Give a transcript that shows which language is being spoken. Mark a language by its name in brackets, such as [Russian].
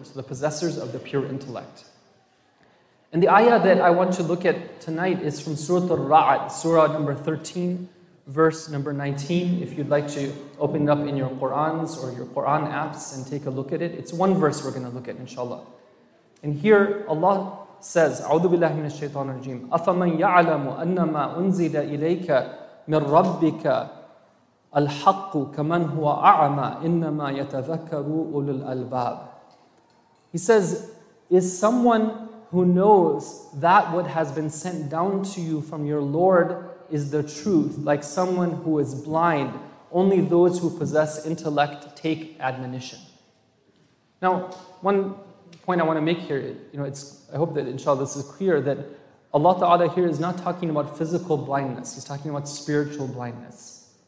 [English] So the possessors of the pure intellect. And the ayah that I want to look at tonight is from Surah Ar-Ra'd, Surah number 13, verse number 19. If you'd like to open it up in your Qur'ans or your Qur'an apps and take a look at it. It's one verse we're going to look at, inshallah. [Arabic] And here Allah says, أعوذ بالله من الشيطان الرجيم أَفَمَنْ يَعْلَمُ أَنَّمَا أُنزِلَ إِلَيْكَ مِنْ رَبِّكَ الْحَقُّ كَمَنْ هُوَ أَعْمَى إِنَّمَا يَتَذَكَّرُ أُولُو الْأَلْبَابِ. [English] He says, is someone who knows that what has been sent down to you from your Lord is the truth, like someone who is blind, only those who possess intellect take admonition. Now, one point I want to make here, you know, it's, I hope that inshallah this is clear, that Allah Ta'ala here is not talking about physical blindness, He's talking about spiritual blindness.